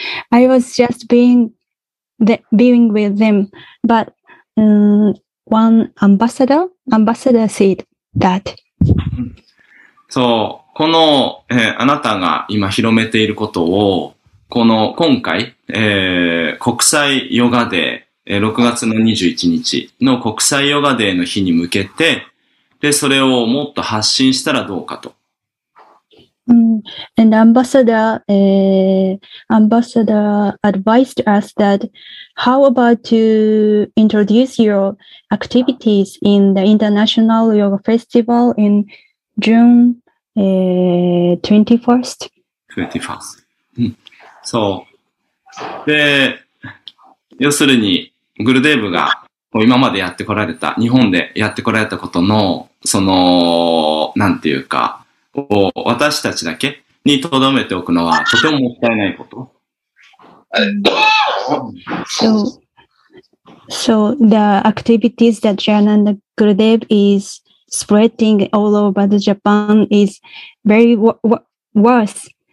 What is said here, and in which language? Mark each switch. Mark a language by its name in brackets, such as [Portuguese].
[English] I was just being with them, but one ambassador said that. [Japanese] そう、この、あなたが今広めていることを、この今回、国際ヨガデー、6月の21日の国際ヨガデーの日に向けて、で、それをもっと発信したらどうかと。 [English] And ambassador advised us that how about to introduce your activities in the International Yoga Festival in June 21st. [Japanese] そう。で、要するに、グルデーブが今までやってこられた、日本でやってこられたことの、その、なんていうか、私たちだけに留めておくのはとてももったいないこと。 [English] So the activities that Jayananda Gurudev is spreading all over the Japan is very worse.